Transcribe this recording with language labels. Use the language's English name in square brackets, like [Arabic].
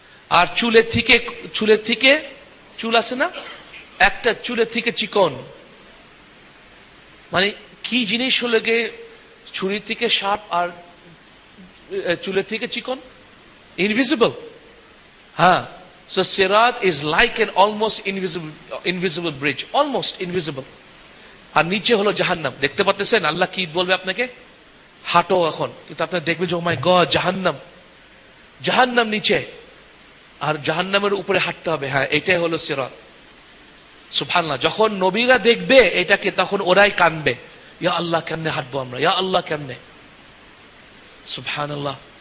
[Bangla] আর চুলের থেকে চুল আছে না, একটা চুলের থেকে চিকন, মানে কি জিনিস হলো গে ছুরির থেকে শার্প আর চুলের থেকে চিকন, ইনভিজিবল। [English] হ্যাঁ, so sirat is like an almost invisible bridge, almost invisible, [Bangla] আর নিচে হলো জাহান্নাম। দেখতে পাচ্ছেন আল্লাহ কি বলবে আপনাকে, হাঁটো এখন, কিন্তু আপনি দেখবেন যে [English] oh my God, [Bangla] জাহান্নাম, জাহান্নাম নিচে আর জাহান্নামের উপরে হাঁটতে হবে। হ্যাঁ, এটাই হলো সিরাত, সুবহানাল্লাহ। যখন নবীরা দেখবে এটাকে তখন ওরাই কাঁদবে, ইয়া আল্লাহ কেমনে হাঁটবো আমরা, ইয়া আল্লাহ কেমনে, সুবহানাল্লাহ।